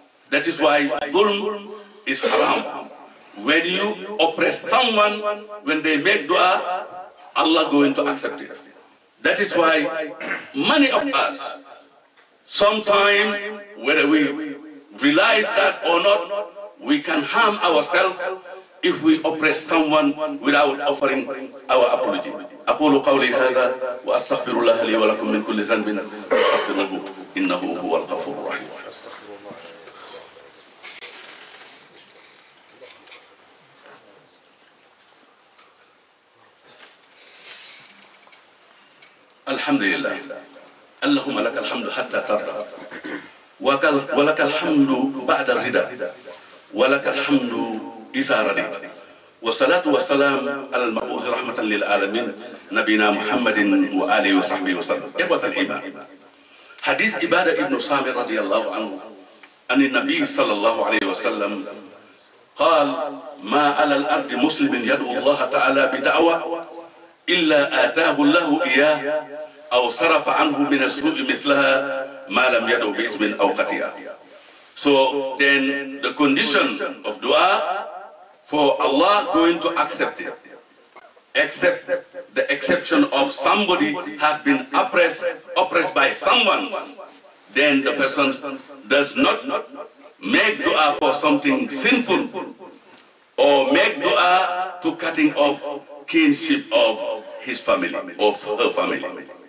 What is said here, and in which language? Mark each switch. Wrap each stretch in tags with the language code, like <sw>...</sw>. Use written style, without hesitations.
<en>That is why dhulm is haram. When you oppress someone, when they make dua, Allah going to accept it. That is why many of us, sometime, whether we realize that or not, we can harm ourselves if we oppress someone without offering our apology.</en> <ar>أقول قولي هذا وأستغفر الله لي ولكم من كل ذنب أستغفره إنه هو الغفور الرحيم. الحمد لله. اللهم لك الحمد حتى ترضى. ولك الحمد بعد الرضا. ولك الحمد إذا رضيت. والصلاة والسلام على المبعوث رحمة للعالمين نبينا محمد وآله وصحبه وسلم. إخوة الإيمان، حديث عبادة بن سامر رضي الله عنه أن النبي صلى الله عليه وسلم قال: ما على الأرض مسلم يدعو الله تعالى بدعوة إلا آتاه الله إياه أو صرف عنه من السوء مثلها ما لم يدعو بإثم أو خطيئة.</ar> <en>So then the condition of dua for Allah going to accept it, except the exception of somebody has been oppressed by someone, then the person does not make dua for something sinful or make dua to cutting off kinship of his family, of her family.</en>